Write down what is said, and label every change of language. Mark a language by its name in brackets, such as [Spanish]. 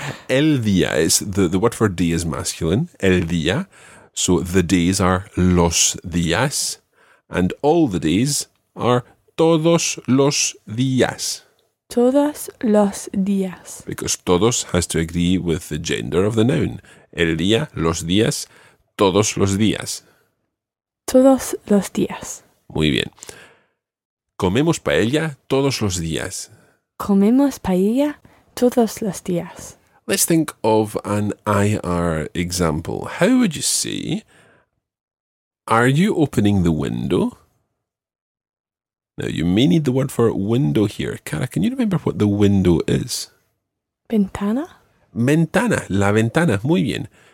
[Spanish] El día [English] is the word for day is masculine. [Spanish] El día. [English] So the days are [Spanish] los días, [English] and all the days are [Spanish] todos los días. Todos los días. [English] Because todos has to agree with the gender of the noun. [Spanish] El día, los días, todos los días. Todos los días. Muy bien. Comemos paella todos los días. Comemos paella todos los días. [English] Let's think of an IR example. How would you say, are you opening the window? Now, you may need the word for window here. Cara, can you remember what the window is? [Spanish] Ventana. Ventana, la ventana. Muy bien.